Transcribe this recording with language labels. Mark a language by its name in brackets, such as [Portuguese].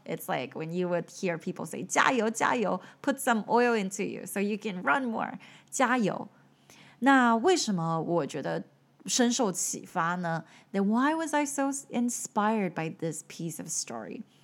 [English] It's like when you would hear people say, 加油, 加油, put some oil into you so you can run more, 加油。 [Chinese] 那为什么我觉得 深受启发呢? [English] Then why was I so inspired by this piece of story?